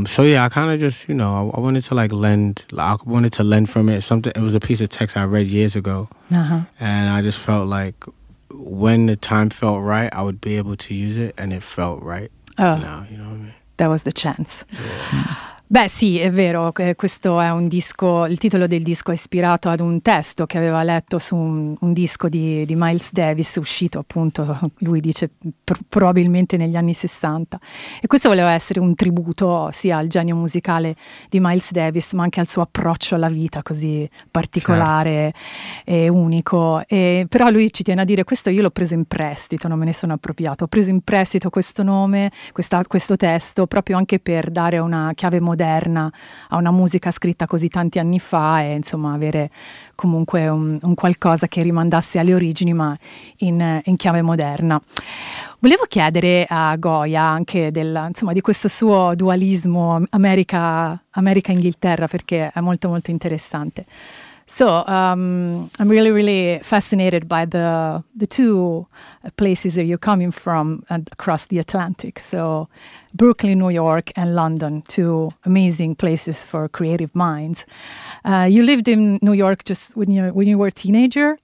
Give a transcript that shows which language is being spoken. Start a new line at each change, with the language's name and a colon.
English: So yeah, I kind of just, you know, I wanted to lend from it something. It was a piece of text I read years ago. Uh-huh. And I just felt like when the time felt right, I would be able to use it, and it felt right. Oh. Now, you know what I mean? That was the chance. Yeah.
Italian: Beh sì, è vero, questo è un disco, il titolo del disco è ispirato ad un testo che aveva letto su un disco di Miles Davis, uscito appunto, lui dice, probabilmente negli anni 60. E questo voleva essere un tributo sia al genio musicale di Miles Davis, ma anche al suo approccio alla vita così particolare, certo. E unico. E, però lui ci tiene a dire, questo io l'ho preso in prestito, non me ne sono appropriato, ho preso in prestito questo nome, questo testo, proprio anche per dare una chiave moderna a una musica scritta così tanti anni fa, e insomma avere comunque un qualcosa che rimandasse alle origini ma in chiave moderna. Volevo chiedere a Goya anche di questo suo dualismo America-Inghilterra, perché è molto molto interessante.
English: So I'm really really fascinated by the two places that you're coming from and across the Atlantic. So Brooklyn, New York, and London, two amazing places for creative minds. You lived in New York just when you were a teenager,